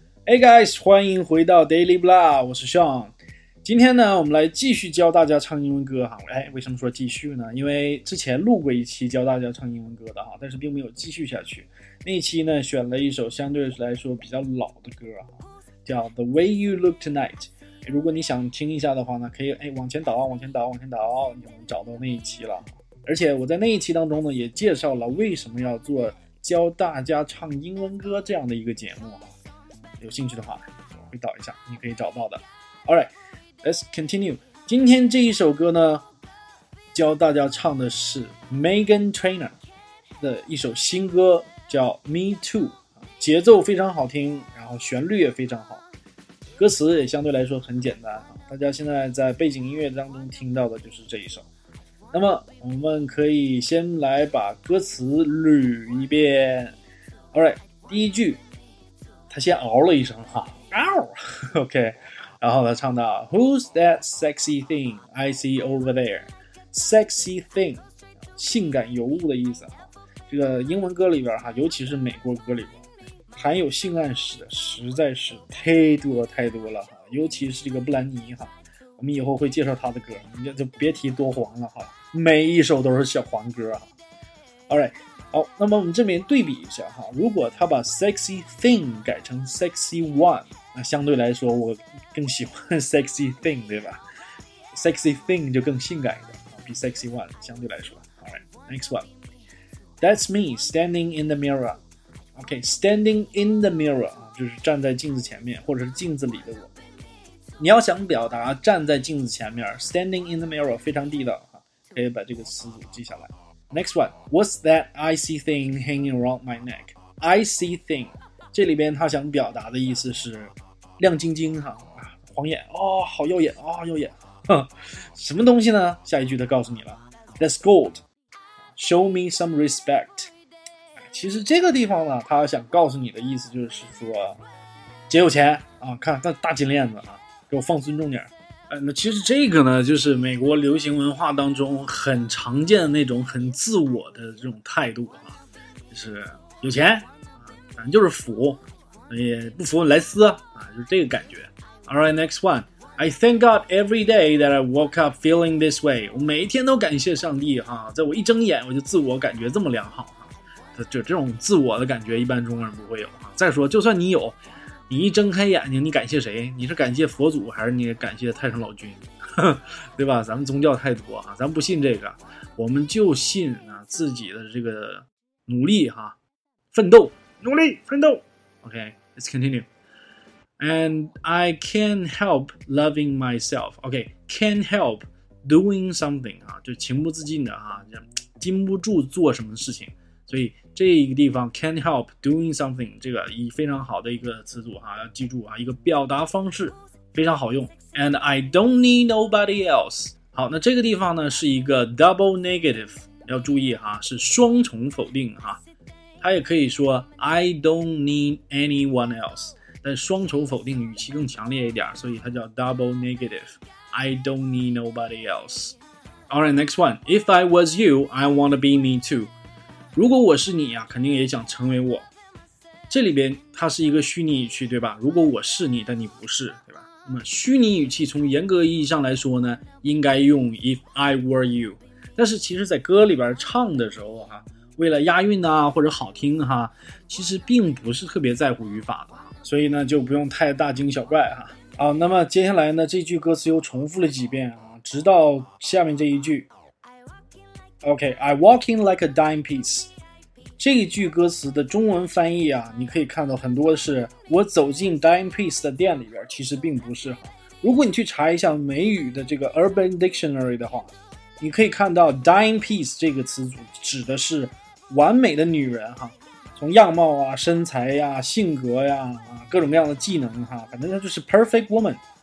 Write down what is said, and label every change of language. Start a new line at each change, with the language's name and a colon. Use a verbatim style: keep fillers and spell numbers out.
English: Hey, guys,
Chinese: 欢迎回到 Daily Blah. 我是 Sean. 今天呢，我们来继续教大家唱英文歌哈。哎，为什么说继续呢？因为之前录过一期教大家唱英文歌的哈，但是并没有继续下去。那一期呢，选了一首相对来说比较老的歌哈，叫 The Way You Look Tonight。如果你想听一下的话呢，可以哎往前倒，往前倒，往前倒，你就能找到那一期了。而且我在那一期当中呢，也介绍了为什么要做教大家唱英文歌这样的一个节目哈。有兴趣的话，我会导一下，你可以找到的。
English: All right, let's continue.
Chinese: 今天这一首歌呢，教大家唱的是 Meghan Trainor 的一首新歌，叫 Me Too， 节奏非常好听，然后旋律也非常好，歌词也相对来说很简单哈。大家现在在背景音乐当中听到的就是这一首。那么我们可以先来把歌词捋一遍。
English: All right，
Chinese: 第一句，他先嗷了一声哈，嗷 ，OK， 然后他唱到
English: Who's that sexy thing I see over there？
Chinese: Sexy thing， 性感尤物的意思哈。这个英文歌里边哈，尤其是美国歌里边，含有性暗示的实在是太多太多了哈，尤其是这个布兰妮哈。我们以后会介绍他的歌，你就别提多黄了哈，每一首都是小黄歌哈。
English: All right，
Chinese: 好，那么我们这边对比一下哈，如果他把 sexy thing 改成 sexy one， 那相对来说我更喜欢 sexy thing， 对吧？ Sexy thing 就更性感一点，比 sexy one 相对来说。
English: All right， next one， That's me standing in the mirror。
Chinese: OK， standing in the mirror 就是站在镜子前面，或者是镜子里的我。你要想表达站在镜子前面 ，standing in the mirror 非常地道哈，可以把这个词组记下来。
English: Next one， What's that icy thing hanging around my neck？
Chinese: Icy thing， 这里边他想表达的意思是亮晶晶哈，晃眼哦，好耀眼哦，耀眼，什么东西呢？下一句他告诉你了
English: ，That's gold，show me some respect。
Chinese: 其实这个地方呢，他想告诉你的意思就是说，姐有钱啊，看那大金链子啊。给我放尊重点。呃，那其实这个呢，就是美国流行文化当中很常见的那种很自我的这种态度啊，就是有钱啊，反正就是服，也不服来撕啊，就是这个感觉。
English: All right, next one. I thank God every day that I woke up feeling this way.
Chinese: 我每一天都感谢上帝哈、啊，在我一睁眼我就自我感觉这么良好哈、啊，就这种自我的感觉，一般中国人不会有啊。再说，就算你有。你一睁开眼睛，你感谢谁？你是感谢佛祖，还是你感谢太上老君？对吧？咱们宗教太多啊，咱不信这个，我们就信啊自己的这个努力哈、啊，奋斗，努力奋斗。
English: OK， let's continue. And I can't help loving myself.
Chinese: OK，
English: can't help doing something
Chinese: 啊，就情不自禁的啊，禁不住做什么事情。所以这个地方
English: can't help doing something
Chinese: 这个以非常好的一个词组哈、啊，要记住啊，一个表达方式非常好用。
English: And I don't need nobody else。
Chinese: 好，那这个地方呢是一个 double negative， 要注意哈、啊，是双重否定哈、啊。它也可以说
English: I don't need anyone else，
Chinese: 但双重否定语气更强烈一点，所以它叫 double negative。
English: I don't need nobody else。 All right, next one. If I was you, I wanna be me too。
Chinese: 如果我是你啊，肯定也想成为我。这里边它是一个虚拟语气，对吧？如果我是你，但你不是，对吧？那么虚拟语气从严格意义上来说呢，应该用
English: if I were you。
Chinese: 但是其实在歌里边唱的时候哈、啊，为了押韵啊或者好听哈、啊，其实并不是特别在乎语法的哈，所以呢就不用太大惊小怪哈。啊，那么接下来呢这句歌词又重复了几遍啊，直到下面这一句。
English: OK, I walk in like a dime piece.
Chinese: 这一句歌词的中文翻译啊，你可以看到很多是我走进 dime piece 的店里边，其实并不是哈。如果你去查一下美语的这个 Urban Dictionary 的话，你可以看到 dime piece 这个词组指的是完美的女人哈，从样貌啊、身材呀、啊、性格呀、啊、各种各样的技能哈，反正它就是 perfect woman。